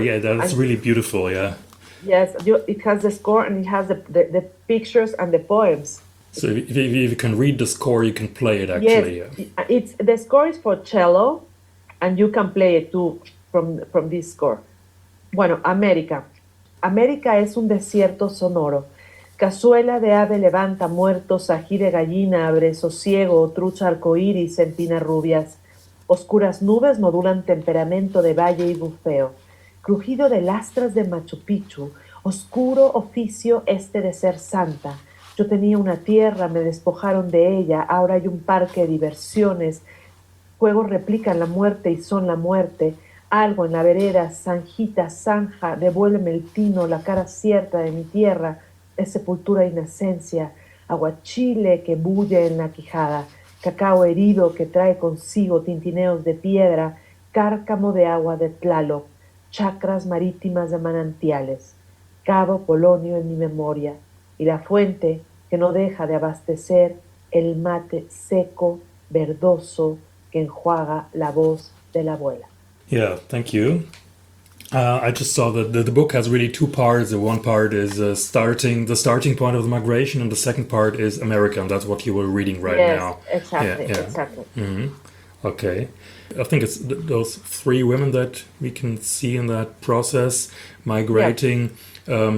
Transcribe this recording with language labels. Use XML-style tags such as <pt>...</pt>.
<en>Yeah, that's really beautiful. Yeah. Yes, it has the score and it has the pictures and the poems. So if you can read the score, you can play it actually. Yes. Yeah. It's the score is for cello, and you can play it too from this score.</en> <es>Bueno, América. América es un desierto sonoro. Cazuela de ave levanta muertos, ají de gallina abre sosiego, trucha arcoíris, empinas rubias. Oscuras nubes modulan temperamento de valle y bufeo. Crujido de lastras de Machu Picchu, oscuro oficio este de ser santa. Yo tenía una tierra, me despojaron de ella, ahora hay un parque de diversiones. Juegos replican la muerte y son la muerte. Algo en la vereda, zanjita, zanja, devuélveme el tino, la cara cierta de mi tierra, es sepultura e inocencia, aguachile que bulle en la quijada. Cacao herido que trae consigo tintineos de piedra, cárcamo de agua de Tlaloc, chacras marítimas de manantiales, cabo polonio en mi memoria, y la fuente que no deja de abastecer el mate seco, verdoso, que enjuaga la voz de la abuela.</es> <en>Yeah, thank you. I just saw that the book has really two parts. The one part is the starting point of the migration, and the second part is America, and that's what you were reading right now. Yes, exactly, yeah. Exactly. Mm-hmm. Okay. I think it's those three women that we can see in that process migrating. Yeah.</en>